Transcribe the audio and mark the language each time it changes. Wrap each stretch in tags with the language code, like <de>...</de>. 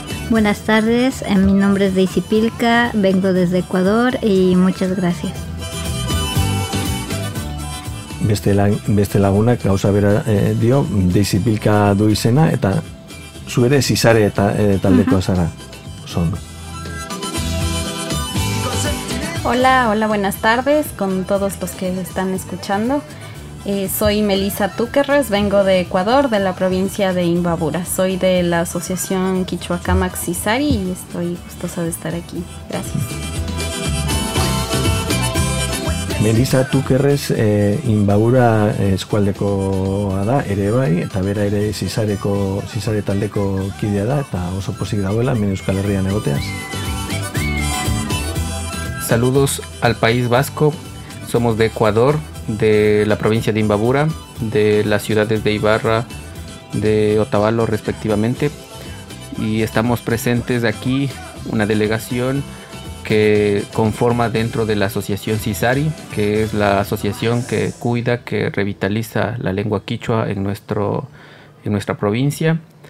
<es>Buenas tardes, mi nombre es Daisy Pilka, vengo desde Ecuador y muchas gracias.</es> <eu>Beste lagunak gauza bera dio, Daisy Pilka du izena eta zu ere Cisare eta taldeko zara. Son.</eu> <es>Hola, hola, buenas tardes con todos los que están escuchando. Soy Melissa Tuquerres, vengo de Ecuador, de la provincia de Imbabura. Soy de la asociación Quichuacamac Cisari y estoy gustosa de estar aquí. Gracias.</es> <eu>Melissa Tuquerres, Imbabura eskualdekoa da, ere bai, eta bera ere Cisareko, Cisare taldeko kidea da, eta oso pozik dagoela, hemen Euskal Herrian egoteaz.</eu> <es>Saludos al País Vasco, somos de Ecuador, de la provincia de Imbabura, de las ciudades de Ibarra, de Otavalo respectivamente, y estamos presentes aquí, una delegación que conforma dentro de la asociación Cisari, que es la asociación que cuida, que revitaliza la lengua quichua en nuestro, en nuestra provincia,</es>